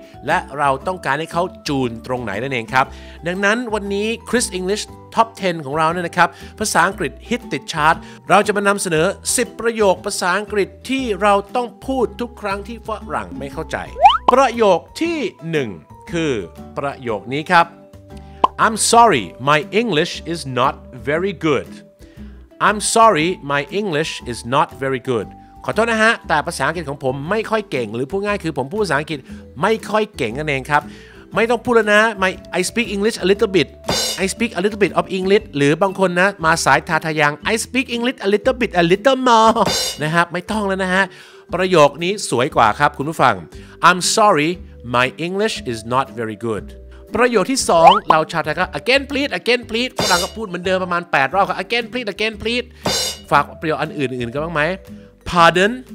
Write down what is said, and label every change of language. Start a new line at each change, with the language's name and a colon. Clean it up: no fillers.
Thai: และเราต้องการให้เขาจูนตรงไหนนั่นเองครับดังนั้นวันนี้ Chris English Top 10ของเราเนี่ยนะครับภาษาอังกฤษฮิตติดชาร์ตเราจะมานำเสนอ10ประโยคภาษาอังกฤษที่เราต้องพูดทุกครั้งที่ฝรั่งไม่เข้าใจประโยคที่1คือประโยคนี้ครับ
English: I'm sorry, my English is not very good. I'm sorry, my English is not very good.
Thai: ขอโทษนะฮะแต่ภาษาอังกฤษของผมไม่ค่อยเก่งหรือพูดง่ายคือผมพูดภาษาอังกฤษไม่ค่อยเก่งนั่นเองครับไม่ต้องพูดแล้วนะ
English: I speak English a little bit. I speak a little bit of English
Thai: หรือบางคนนะมาสายทาทะยัง
English: I speak English a little more.
Thai: นะครับไม่ต้องแล้วนะฮะประโยคนี้สวยกว่าครับคุณผู้ฟัง
English: I'm sorry, my English is not very good.
Thai: ประโยคที่2เราชาวไทยก็
English: again please
Thai: ฝรั่งก็พูดเหมือนเดิมประมาณ8รอบก็ again please ฝากประโยคอันอื่นๆกันบ้างไหม pardon